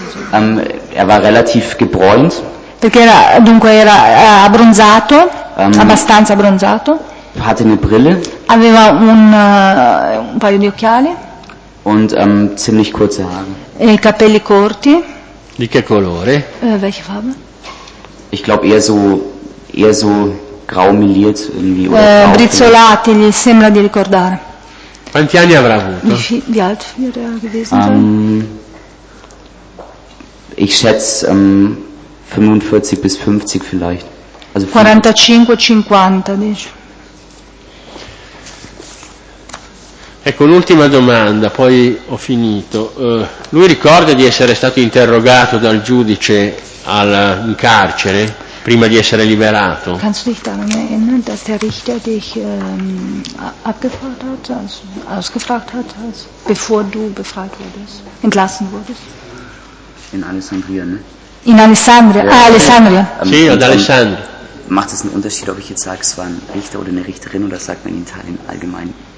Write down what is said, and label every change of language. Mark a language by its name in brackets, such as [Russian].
[German] Er war relativ gebräunt. [Italian] Perché era abbronzato, abbastanza abbronzato. [German] Hatte eine Brille. [Italian] Aveva un paio di occhiali. [German] Und ziemlich kurze Haare. [Italian] E i capelli corti. Di che colore? [German] Welche Farbe? Ich glaube eher so grau meliert irgendwie. Oder [Italian] brizzolati, gli sembra di ricordare. Quanti anni avrà avuto? [German] Wie alt wäre er gewesen? Ich schätze 45 bis 50 vielleicht. Also 45-50, [Italian] dici. Ecco, l'ultima domanda, poi ho finito. Lui ricorda di essere stato interrogato dal giudice in carcere prima di essere liberato? Kannst du dich daran erinnern, dass der Richter dich abgefragt hat, ausgefragt hat, bevor du befragt wurdest, entlassen wurdest? In Alessandria, ne? [German] In Alessandria, ja. Alessandria. [Italian] Sì, ad Alessandria. [German] macht es einen Unterschied, ob ich jetzt sage, es war ein Richter oder eine Richterin, oder sagt man in Italien allgemein?